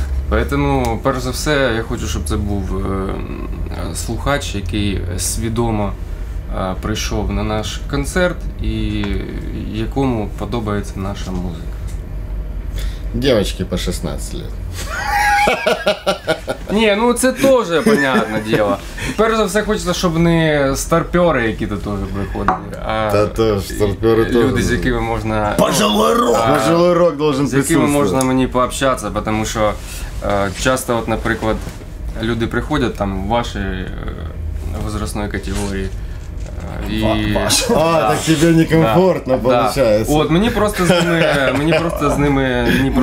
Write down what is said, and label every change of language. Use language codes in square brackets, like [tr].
[uk] Поэтому, перш за все, я хочу, щоб це був слухач, який свідомо прийшов на наш концерт і якому подобається наша музика. Дівчатки по 16 років. Ні, ну це теж понятне діло. Перш за все хочеться, щоб не старпери які-то теж приходили, а та теж, старпери люди, теж. З якими можна... [ru] Пожилий рок должен присутствовать. [uk] З якими можна мені пообщатися, тому що часто, от, наприклад, люди приходять там в вашій возрастної категорії. І... так тебе некомфортно виходить. Да. От мені просто з ними ні про